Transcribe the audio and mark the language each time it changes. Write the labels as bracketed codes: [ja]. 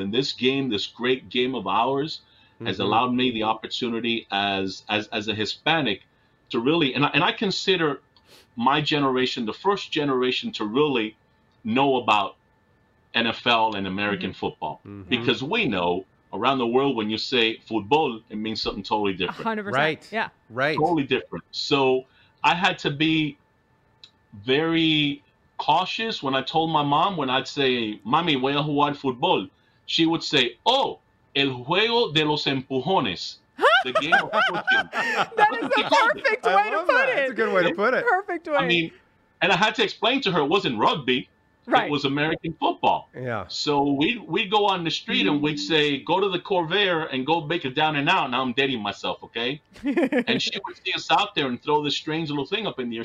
[en] And this game, this great game of ours, mm-hmm. has allowed me the opportunity as a Hispanic to really, and I consider my generation the first generation to really know about NFL and American mm-hmm. football. Mm-hmm. Because we know around the world, when you say football, it means something totally different. 100%. Right. Yeah. Right. Totally different. So I had to be very cautious when I told my mom, when I'd say, [es] mami, voy a jugar fútbol. [en] She would say, oh, [es] el juego de los empujones. [en] The game of pushing. That is a perfect way to put it. That's a good way to put it. Perfect way. I mean, and I had to explain to her, it wasn't rugby. Right. It was American football. Yeah. So we'd go on the street and we'd say, go to the Corvair and go make it down and out. Now I'm dating myself, okay? And she would see us out there and throw this strange little thing up in the air.